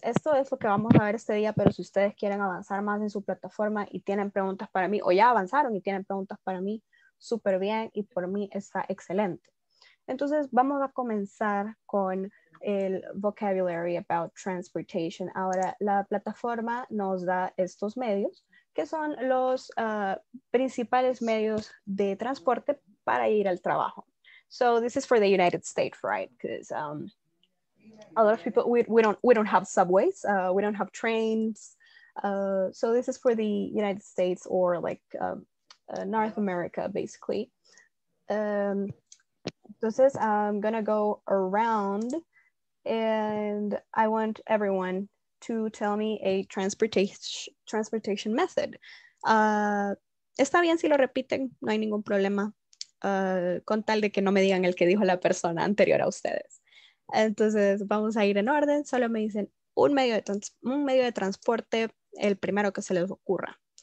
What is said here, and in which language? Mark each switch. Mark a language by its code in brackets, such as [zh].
[es] Esto es lo que vamos a ver este día, pero si ustedes quieren avanzar más en su plataforma y tienen preguntas para mí, o ya avanzaron y tienen preguntas para mí, súper bien, y por mí está excelente. Entonces vamos a comenzar con el vocabulary about transportation. Ahora, la plataforma nos da estos medios, que son los principales medios de transporte para ir al trabajo. [en] So this is for the United States, right? Because a lot of people, we don't have subways, we don't have trains. So this is for the United States or like North America, basically. Entonces, I'm gonna go around and I want everyone to tell me a transportation method. [es] Está bien si lo repiten, no hay ningún problema. Con tal de que no me digan el que dijo la persona anterior a ustedes. Entonces vamos a ir en orden, solo me dicen un medio de transporte, el primero que se les ocurra.